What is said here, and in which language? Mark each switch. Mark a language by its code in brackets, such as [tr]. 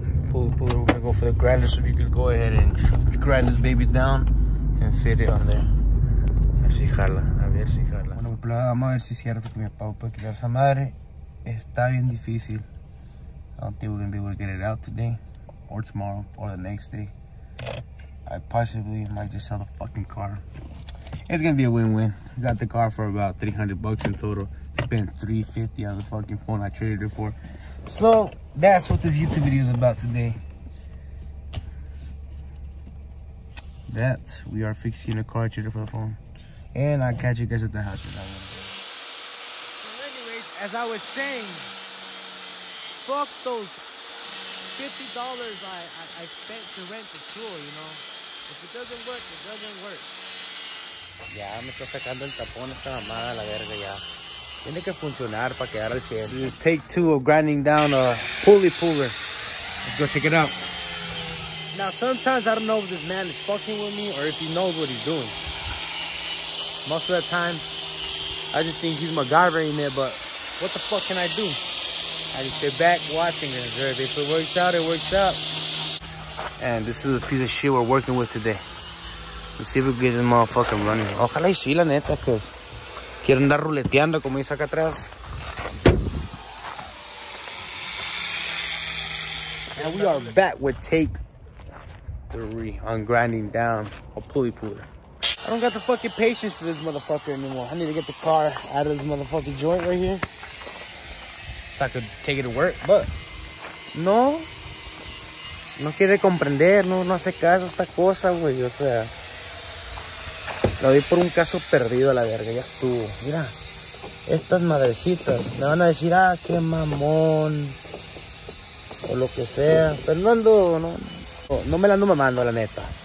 [en] For the grinders, if you could go ahead and grind this baby down and fit it on there. [es] A ver si jala. Bueno, pues vamos a ver si es cierto que mi papá puede quitar esa madre. Está bien difícil. [en] I don't think we're gonna be able to get it out today or tomorrow or the next day. I possibly might just sell the fucking car. It's gonna be a win-win. Got the car for about $300 in total. Spent $350 on the fucking phone I traded it for. So that's what this YouTube video is about today. That we are fixing a car trader for the phone, and I'll catch you guys at the house. So, anyways, as I was saying, fuck those $50 I spent to rent the tool. You know, if it doesn't work, it doesn't work. [es] Ya me está sacando el tapón esta mamada la verga ya. Tiene que funcionar para quedar al 100. [en] Take two of grinding down a pulley puller. Let's go check it out. Now, sometimes I don't know if this man is fucking with me or if he knows what he's doing. Most of the time, I just think he's MacGyvering it, but what the fuck can I do? I just sit back watching and observe. If it works out, it works out. And this is a piece of shit we're working with today. Let's see if we can get this motherfucker running. [es] Ojalá y sí, la neta, cuz quiero andar ruleteando como dice acá atrás. [en] And we are back with take 3 on grinding down a pulley puller. I don't got the fucking patience for this motherfucker anymore. I need to get the car out of this motherfucking joint right here so I could take it to work, but no. [es] No quiere comprender, no hace caso esta cosa, güey. O sea, lo di por un caso perdido a la verga, ya estuvo. Mira, estas madrecitas me van a decir, ah, qué mamón, o lo que sea. Fernando, no. No me la ando mamando, la neta.